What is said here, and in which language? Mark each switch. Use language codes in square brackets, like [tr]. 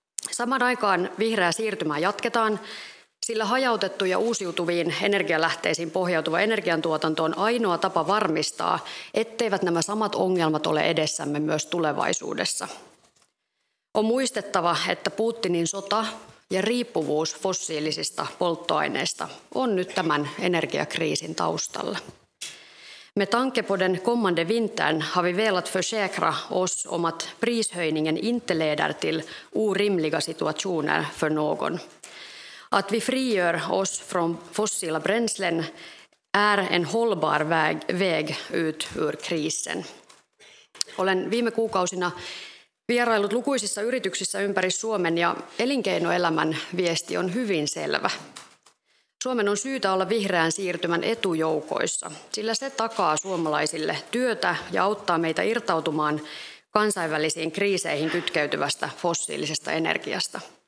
[fi] Samaan aikaan vihreää siirtymää jatketaan, sillä hajautettu ja uusiutuviin energialähteisiin pohjautuva energiantuotanto on ainoa tapa varmistaa, etteivät nämä samat ongelmat ole edessämme myös tulevaisuudessa. On muistettava, että Putinin sota ja riippuvuus fossiilisista polttoaineista on nyt tämän energiakriisin taustalla. [sv] Med tanke på den kommande vintern har vi velat försäkra oss om att prishöjningen inte leder till orimliga situationer för någon. Att vi frigör oss från fossila bränslen är en hållbar väg ut ur krisen. [fi] Olen viime kuukausina vieraillut lukuisissa yrityksissä ympäri Suomen ja elinkeinoelämän viesti on hyvin selvä. Suomen on syytä olla vihreän siirtymän etujoukoissa, sillä se takaa suomalaisille työtä ja auttaa meitä irtautumaan kansainvälisiin kriiseihin kytkeytyvästä fossiilisesta energiasta.